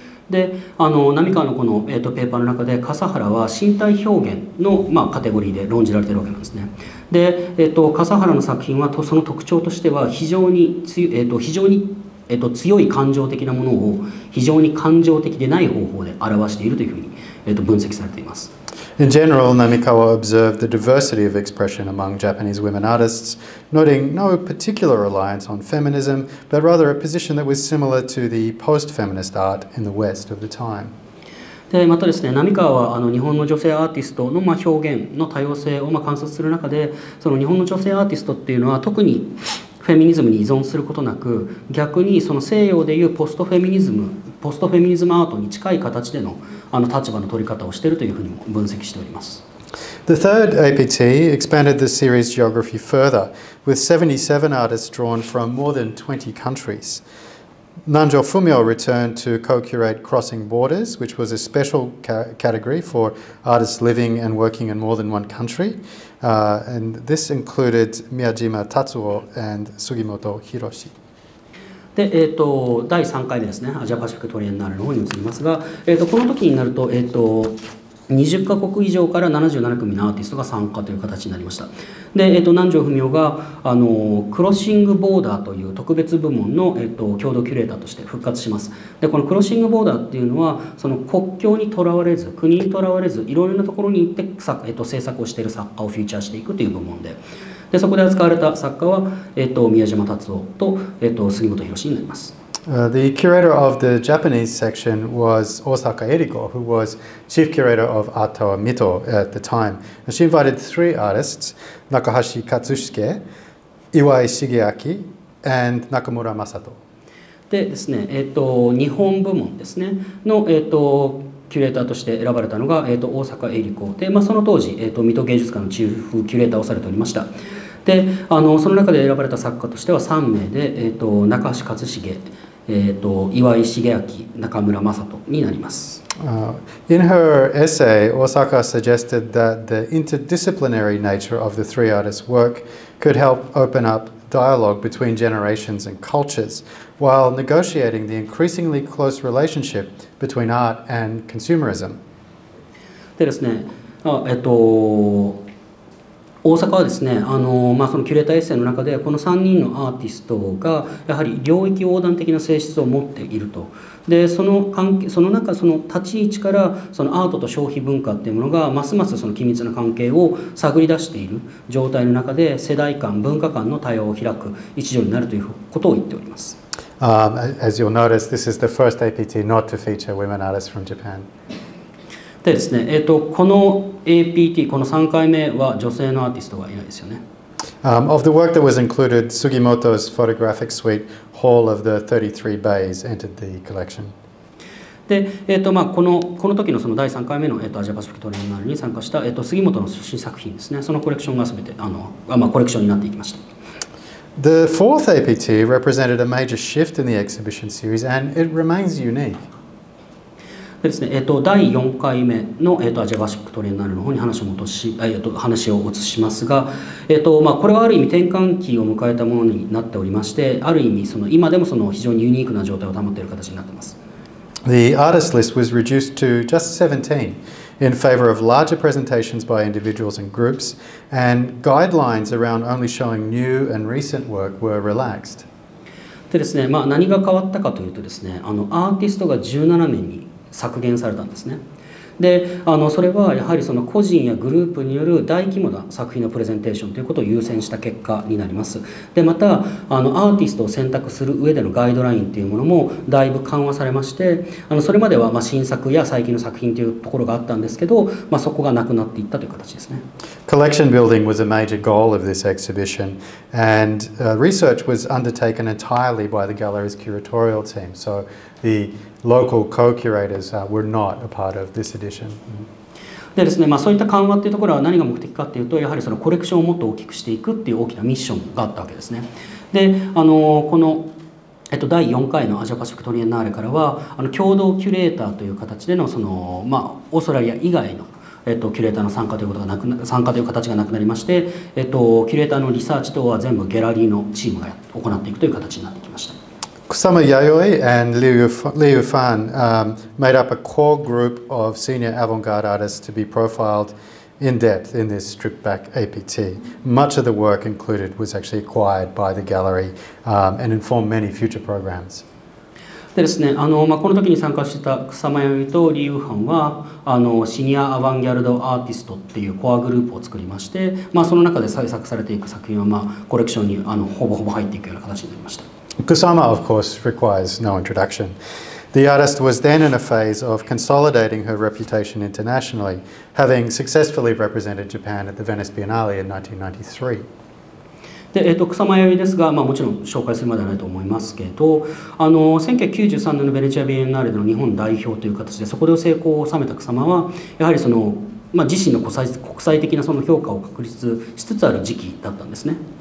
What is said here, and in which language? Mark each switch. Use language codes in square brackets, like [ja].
[ja] で、あの、浪川のこの、ペーパーの中で、Kasahara は身体表現の、まあ、カテゴリーで論じられているわけなんですね。で、Kasahara の作品はその特徴としては非常に強い感情的なものを非常に感情的でない方法で表しているというふうに、分析されています。 [en] In general, Namikawa observed the diversity of expression among Japanese women artists, noting no particular reliance on feminism, but rather a position that was similar to the post-feminist art in the West of the time. [ja] で、またですね、Namikawa はあの日本の女性アーティストの、まあ、表現の多様性を、まあ、観察する中で、その日本の女性アーティストっていうのは特にフェミニズムに依存することなく、逆にその西洋でいうポストフェミニズムアートに近い形での、あの立場の取り方をしているというふうにも分析しております。 [en] The third APT expanded the series geography further, with 77 artists drawn from more than 20 countries. Nanjo Fumio returned to co-curate Crossing Borders, which was a special category for artists living and working in more than one country. And this included Miyajima Tatsuo and Sugimoto Hiroshi. [ja] で、第3回目ですね、アジアパシフィックトリエンナーレの方に移りますが、この時になると、 20カ国以上から77組のアーティストが参加という形になりました。で、南條文雄がクロッシングボーダーという特別部門の、共同キュレーターとして復活します。で、このクロッシングボーダーっていうのはその国境にとらわれず国にとらわれずいろいろなところに行って作、制作をしている作家をフィーチャーしていくという部門 でそこで扱われた作家は、宮島達夫と、杉本博史になります。 [en] The curator of the Japanese section was Osaka Eriko, who was chief curator of Atawa Mito at the time. And she invited three artists, Nakahashi Katsusuke, Iwai Shigeaki, and Nakamura Masato. [ja] でですね、日本部門ですね、の、キュレーターとして選ばれたのが、大阪エリコで、まあ、その当時、水戸芸術館のチーフキュレーターをされておりました。で、その中で選ばれた作家としては3名で、中橋勝重、岩井重明、中村正人になります。 [en] In her essay, Osaka suggested that the interdisciplinary nature of the three artists' work could help open up dialogue between generations and cultures while negotiating the increasingly close relationship between art and consumerism. [ja] でですね、大阪はですね、まあ、そのキュレーターエッセイの中でこの3人のアーティストがやはり領域横断的な性質を持っていると。で、その関係、その中、その立ち位置からそのアートと消費文化っていうものがますますその緊密な関係を探り出している状態の中で世代間、文化間の対話を開く一助になるということを言っております。 [en] As you'll notice, this is the first APT not to feature women artists from Japan. [ja] でですね、このAPT この3回目は女性のアーティストがいないですよね。 [en] Of the work that was included, Sugimoto's photographic suite, Hall of the 33 Bays, entered the collection. [ja] で、まあ、この時のその第3回目の、アジアパシフィックトリエンナーレに参加した、杉本の新作品ですね。そのコレクションが全て、まあ、コレクションになっていきました。 [en] The fourth APT represented a major shift in the exhibition series, and it remains unique. [ja] でですね、第4回目の、アジアパシフィックトリエンナーレの方に話を移しますが、まあ、これはある意味転換期を迎えたものになっておりまして、ある意味その今でもその非常にユニークな状態を保っている形になっています。 [en] The artist list was reduced to just 17 in favor of larger presentations by individuals and groups, and guidelines around only showing new and recent work were relaxed. [ja] でですね、まあ、何が変わったかというとですね、アーティストが17名に削減されたんですね。で、それはやはりその個人やグループによる大規模な作品のプレゼンテーションということを優先した結果になります。で、またアーティストを選択する上でのガイドラインというものもだいぶ緩和されまして、それまではまあ新作や最近の作品というところがあったんですけど、まあ、そこがなくなっていったという形ですね。 [en] Collection building was a major goal of this exhibition, and research was undertaken entirely by the gallery's curatorial team, so theLocal co-curators were not a part of this edition. [ja] でですね、まあ、そういった緩和というところは何が目的かというと、やはりそのコレクションをもっと大きくしていくという大きなミッションがあったわけですね。で、この、第4回のアジアパシフィックトリエンナーレからは、共同キュレーターという形での、まあ、オーストラリア以外の、キュレーターの参加ということがなくな、参加という形がなくなりまして、キュレーターのリサーチ等は全部ギャラリーのチームが行っていくという形になってきました。 [en] Kusama Yayoi and Liu Fan made up a core group of senior avant-garde artists to be profiled in depth in this stripped-back APT. Much of the work included was actually acquired by the gallery and informed many future programs. [ja] でですね、まあ、この時に参加してた Kusama Yayoi と Liu Fan はシニアアバンギャルドアーティストっていうコアグループを作りまして、まあ、その中で制作されていく作品は、まあ、コレクションにほぼほぼ入っていくような形になりました。 [en] Kusama, of course, requires no introduction. The artist was then in a phase of consolidating her reputation internationally, having successfully represented Japan at the Venice Biennale in 1993. [ja] で、草間弥生ですが、まあ、もちろん紹介するまではないと思いますけど、1993年のベネチアビエンナーレでの日本代表という形で、そこで成功を収めた草間は、やはりその、まあ、自身の国際的なその評価を確立しつつある時期だったんですね。